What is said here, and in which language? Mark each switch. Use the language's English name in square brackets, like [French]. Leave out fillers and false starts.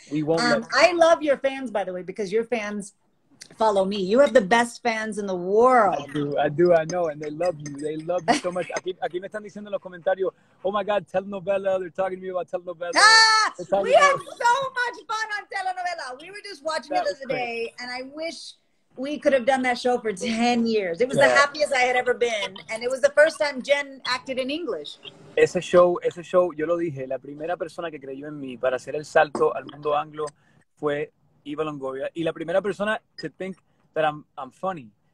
[English] I love your fans, by the way, because your fans follow me. You have the best fans in the world. I do. I know. And they love you. They love you so much. [Spanish] Aquí me están diciendo en los comentarios, [English] oh my God, [Spanish] telenovela. [English] They're talking to me about telenovela. We had so much fun on telenovela. We were just watching it the other day. And I wish we could have done that show for 10 years. It was the happiest I had ever been. And it was the first time Jen acted in English. [Spanish] Ese show, yo lo dije, la primera persona que creyó en mí para hacer el salto al mundo anglo fue Eva Longoria, y la primera persona [English] to think that I'm funny.